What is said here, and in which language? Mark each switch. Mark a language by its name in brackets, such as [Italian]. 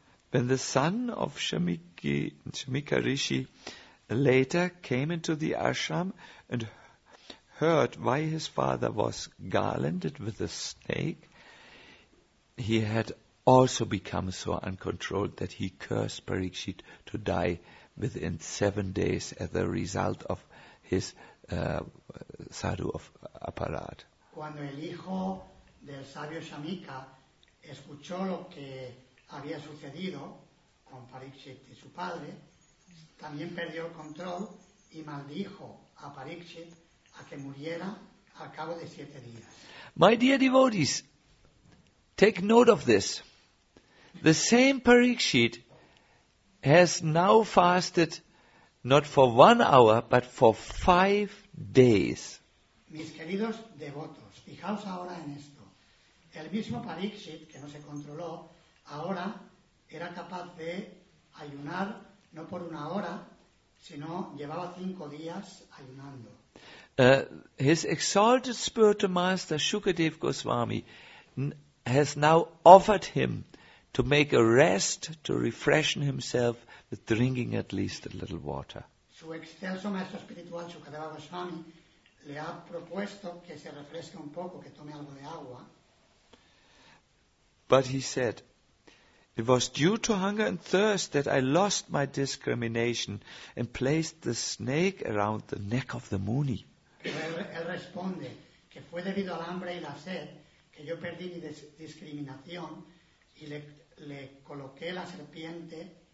[English] When the son of Shamika Rishi later came into the ashram and heard why his father was garlanded with a snake, he had also become so uncontrolled that he cursed Parikshit to die within 7 days as a result of his sadhu of aparat. [Spanish] Cuando el hijo del sabio Shamika escuchó lo que había sucedido con Parikshit y su padre, también perdió el control y maldijo a Parikshit a que muriera al cabo de 7 días. [English] My dear devotees, take note of this. The same Parikshit has now fasted not for 1 hour, but for 5 days. [Spanish] Mis queridos devotos, fijaos ahora en esto. El mismo Parikshit, que no se controló, ahora era capaz de ayunar no por 1 hora, sino llevaba 5 días ayunando. [English] His exalted spiritual master, Shukadev Goswami, has now offered him to make a rest, to refresh himself, with drinking at least a little water. [Spanish] Su excelso maestro espiritual, Shukadeva Goswami, le ha propuesto que se refresque un poco, que tome algo de agua. [English] But he said, it was due to hunger and thirst that I lost my discrimination and placed the snake around the neck of the Muni. [Spanish] Él responde que fue debido al hambre y la sed que yo perdí mi discriminación y le coloqué la serpiente.